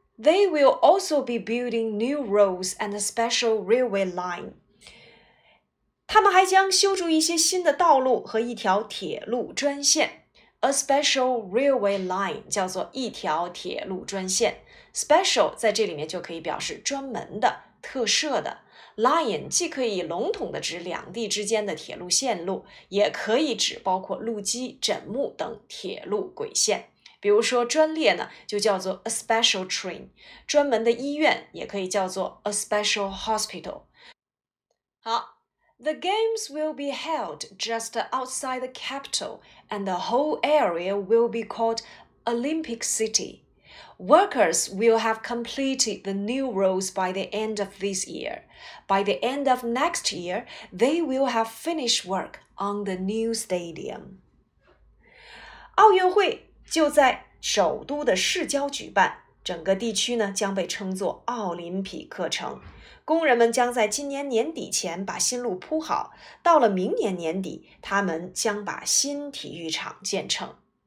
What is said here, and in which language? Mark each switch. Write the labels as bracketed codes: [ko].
[en] They will also be building new roads and a special railway line。 [zh] 他们还将修筑一些新的道路和一条铁路专线。 A special railway line 叫做一条铁路专线。 Special 在这里面就可以表示专门的、特设的。 Line 既可以笼统的指两地之间的铁路线路，也可以指包括路基、枕木等铁路轨线。比如说专列呢，就叫做 a special train。专门的医院也可以叫做 a special hospital。好。 [en] The games will be held just outside the capital, and the whole area will be called Olympic City. Workers will have completed the new roads by the end of this year. By the end of next year, they will have finished work on the new stadium. [zh] 奥运会就在首都的市郊举办，整个地区呢将被称作奥林匹克城。工人们将在今年年底前把新路铺好，到了明年年底，他们将把新体育场建成。